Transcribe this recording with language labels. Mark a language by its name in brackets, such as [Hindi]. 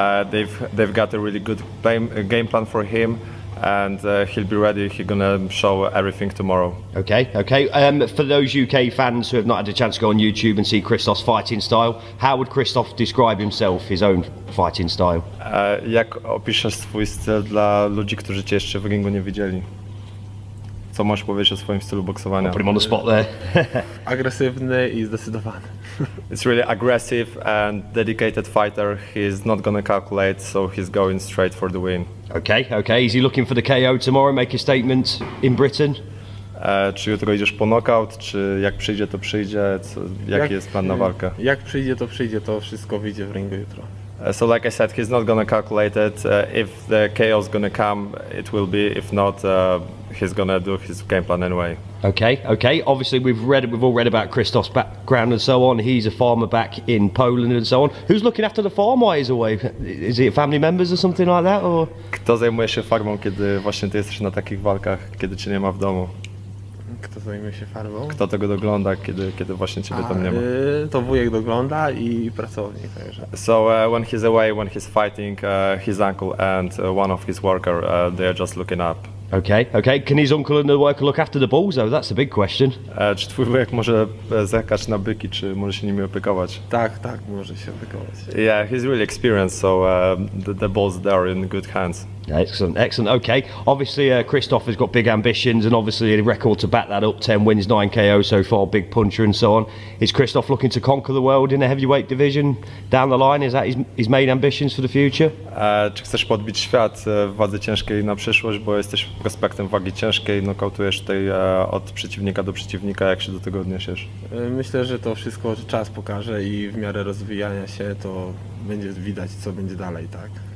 [English] They've got a really good game plan for him, and he'll be ready, he's gonna show everything tomorrow. Okay. For those UK fans who have not had a chance to go on YouTube and see Krzysztof's fighting style, how would Krzysztof describe himself, his own fighting style? [Polish] Jak opiszesz swój styl dla ludzi, którzy cię jeszcze w ringu nie widzieli? Co masz powiedzieć o swoim stylu boksowania? [English] Put him on the spot there. [Polish] Agresywny i zdecydowany. [English] It's really aggressive and dedicated fighter. He's not gonna calculate, so he's going straight for the win. Okay. Is he looking for the KO tomorrow? Make a statement in Britain. [Polish] Czy jutro idziesz po knockout, czy jak przyjdzie, to przyjdzie? Jaki jest plan na walkę? Jak przyjdzie, to wszystko wyjdzie w ringu jutro. [English] So like I said, he's not gonna calculate it. If the KO is gonna come, it will be. If not, he's gonna do his game plan anyway. Okay. Obviously, we've all read about Krzysztof's background and so on. He's a farmer back in Poland and so on. Who's looking after the farm while he's away? Is it family members or something like that? Or [Polish] kto zajmuje się farmą, kiedy właśnie ty jesteś na takich walkach, kiedy cię nie ma w domu? Kto zajmuje się farmą? Kto tego dogląda, kiedy właśnie ciebie tam nie ma? To wujek dogląda i pracownik także. [English] So when he's away, when he's fighting, his uncle and one of his workers, they are just looking up. Okay. Can his uncle and the worker look after the bulls though? That's a big question. [Polish] Czy twój wujek może zerkać na byki, czy może się nimi opiekować? Tak, może się opiekować. [English] Yeah, he's really experienced, so the bulls there are in good hands. Excellent. Okay, obviously Krzysztof has got big ambitions and obviously a record to back that up. 10 wins, 9 KOs so far, big puncher and so on. Is Krzysztof looking to conquer the world in the heavyweight division down the line? Is that his main ambitions for the future? [Polish] Czy chcesz podbić świat w wadze ciężkiej na przyszłość, bo jesteś prospektem wagi ciężkiej, nokautujesz tutaj od przeciwnika do przeciwnika, jak się do tego odniesiesz? Myślę, że to wszystko czas pokaże i w miarę rozwijania się to będzie widać, co będzie dalej, tak?